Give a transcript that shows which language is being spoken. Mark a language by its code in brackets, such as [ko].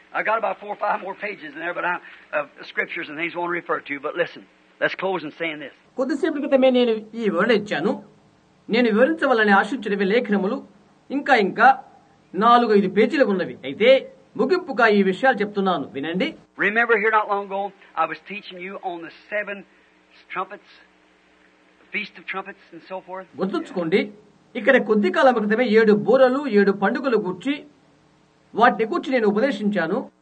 [en] I got about 4 or 5 more pages in there, but scriptures and things I won't refer to. But listen, let's close in saying this. [te] కొద్ది సేపటి క్రితమే నేను ఈ వివరించాను. నేను వివరించవాలని ఆశించినవి లేఖనములు ఇంకా 4-5 పేజీలు ఉన్నవి. అయితే ముగింపుగా ఈ విషయాలు చెప్తున్నాను, వినండి. [en] Remember here not long ago, I was teaching you on the 7 trumpets, feast of trumpets and so forth. [te] గుర్తుంచుకోండి, ఇక్కడ కొద్ది కాలం క్రితమే 7 బూరలు 7 పండుగలు గుర్చి వాటిని కూర్చి నేను ఉపదేశించాను.